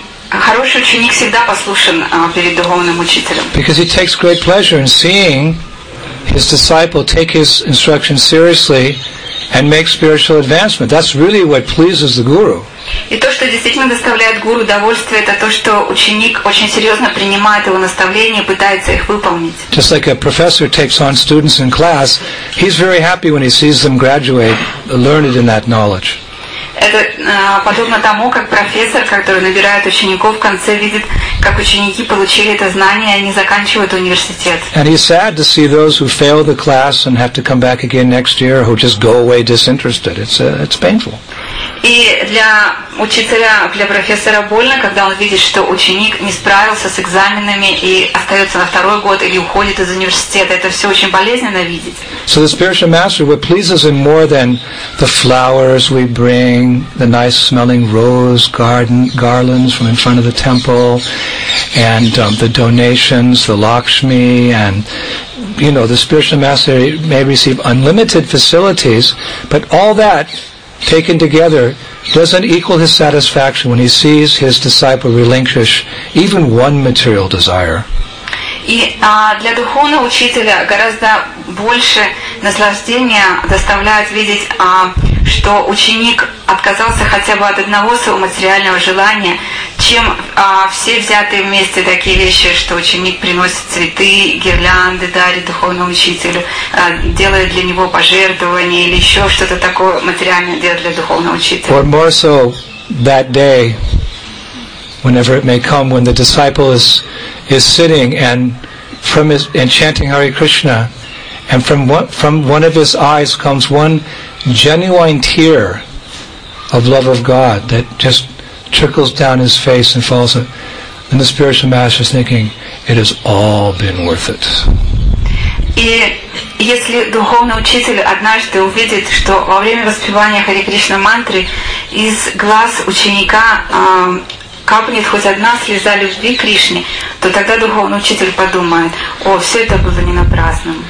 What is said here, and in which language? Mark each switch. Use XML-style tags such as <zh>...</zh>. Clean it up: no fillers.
<ru>Хороший ученик всегда послушен перед духовным учителем.</ru> <en>Because he takes great pleasure in seeing his disciple take his instruction seriously and make spiritual advancement. That's really what pleases the guru.</en> <ru>И то, что действительно доставляет гуру удовольствие, это то, что ученик очень серьезно принимает его наставления и пытается их выполнить.</ru> <en>Just like a professor takes on students in class, he's very happy when he sees them graduate, learned in that knowledge.</en> <ru>Это подобно тому, как профессор, который набирает учеников, в конце видит, как ученики получили это знание, и они заканчивают университет.</ru> <en>And he's sad to see those who fail the class and have to come back again next year, who just go away disinterested. It's painful.</en> <ru>И для учителя, для профессора больно, когда он видит, что ученик не справился с экзаменами и остается на второй год или уходит из университета. Это все очень болезненно видеть.</ru> <en>So the spiritual master, what pleases him more than the flowers we bring, the nice smelling rose garden garlands from in front of the temple, and the donations, the Lakshmi, and you know, the spiritual master may receive unlimited facilities, but all that taken together doesn't equal his satisfaction when he sees his disciple relinquish even one material desire.</en> <ru>И для духовного учителя гораздо больше наслаждения доставляет видеть, что ученик отказался хотя бы от одного своего материального желания, чем все взятые вместе такие вещи, что ученик приносит цветы, гирлянды дарит духовному учителю, делает для него пожертвования или еще что-то такое материальное делает для духовного учителя.</ru> <en>Or more so that day, whenever it may come, when the disciple is sitting and from his and chanting Hare Krishna, and from one of his eyes comes one genuine tear of love of God that just trickles down his face and falls, and the spiritual master is thinking, it has all been worth it.</en> <ru>И если духовный учитель однажды увидит, что во время воспевания Хари Кришна мантры из глаз ученика капнет хоть одна слеза любви к Кришне, то тогда духовный учитель подумает: о, все это было не напрасно.</ru>